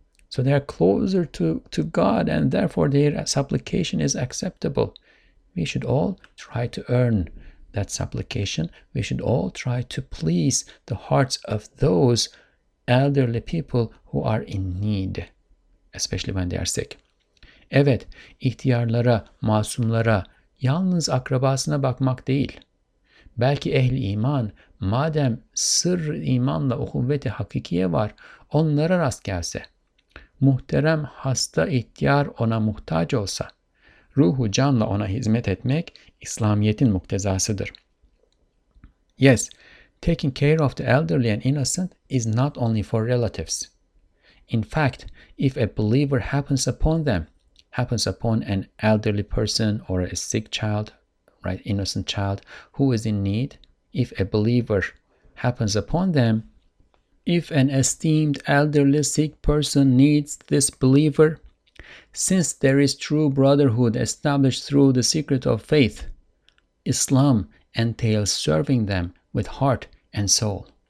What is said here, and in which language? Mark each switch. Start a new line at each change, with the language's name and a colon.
English: So they are closer to God, and therefore their supplication is acceptable. We should all try to earn that supplication. We should all try to please the hearts of those elderly people who are in need, especially when they are sick.
Turkish: Evet, ihtiyarlara, masumlara, yalnız akrabasına bakmak değil. Belki ehl-i iman, madem sırr-ı imanla uhuvvet-i hakikiye var, onlara rast gelse, muhterem hasta ihtiyar ona muhtaç olsa, ruhu canla ona hizmet etmek İslamiyet'in muktezasıdır.
English: Yes, taking care of the elderly and innocent is not only for relatives. In fact, if a believer happens upon an elderly person or a sick child, right, innocent child who is in need, if a believer happens upon them, if an esteemed elderly sick person needs this believer, since there is true brotherhood established through the secret of faith, Islam entails serving them with heart and soul.